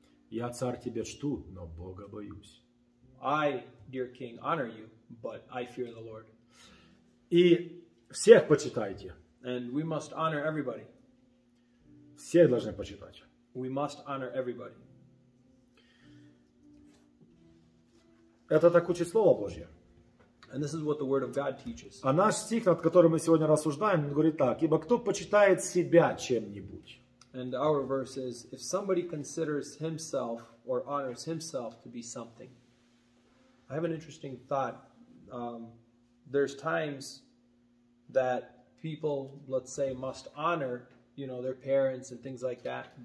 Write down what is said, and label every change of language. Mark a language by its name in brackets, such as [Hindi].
[Russian] Я, царь, тебя чту, но Бога боюсь. [English] I, dear king, honor you, but I fear the Lord. [Russian] И всех почитайте. [English] And we must honor everybody. [Russian] Все должны почитать. [English] We must honor everybody. [Russian] Это так учит Слово Божье. [English] And this is what the word of God teaches. [Russian] А наш стих, над которым мы сегодня рассуждаем, говорит так: ибо кто почитает себя чем-нибудь. [English] And our verse is, if somebody considers himself or honors himself to be something. I have an interesting thought. There's times that people, let's say, must honor, you know, their parents and things like that.